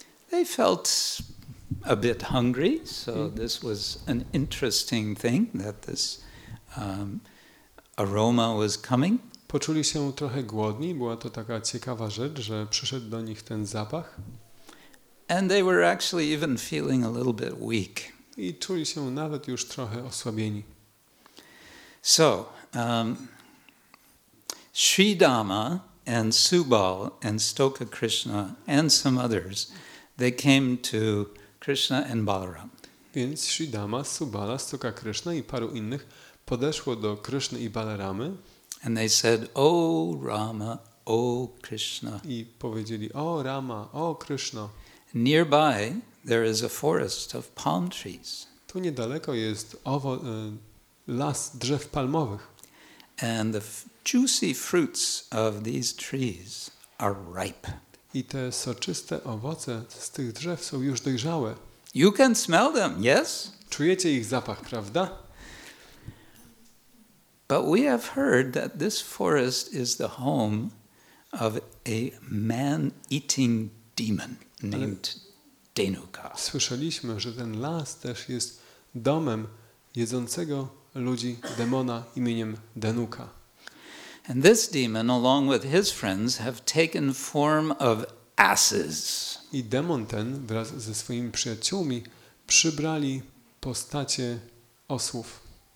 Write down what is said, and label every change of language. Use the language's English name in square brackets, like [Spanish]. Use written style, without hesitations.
[English] They felt a bit hungry, so this was an interesting thing that this aroma was coming. [Polish] Poczuli się trochę głodni, była to taka ciekawa rzecz, że przyszedł do nich ten zapach. [English] And they were actually even feeling a little bit weak. [Polish] I czuli się nawet już trochę osłabieni. [English] So, Sridhama and Subal and Stoka Krishna and some others, they came to Krishna and Balaram. [Polish] Więc Sridhama, Subala, Stoka Krishna i paru innych podeszło do Krishna i Balaramy. [English] And they said, O Rama, O Krishna. [Polish] I powiedzieli, O Rama, O Krishna. [English] Nearby there is a forest of palm trees. [Polish] Tu niedaleko jest las drzew palmowych. [English] And the juicy fruits of these trees are ripe. [Polish] I te soczyste owoce z tych drzew są już dojrzałe. [English] You can smell them, yes? [Polish] Czujecie ich zapach, prawda? [English] But we have heard that this forest is the home of a man-eating demon named Denuka. [Polish] Słyszeliśmy, że ten las też jest domem jedzącego ludzi demona imieniem Denuka. [English] And this demon, along with his friends, have taken form of asses. [Polish] I demon ten wraz ze swoimi przyjaciółmi przybrali postacie osłów.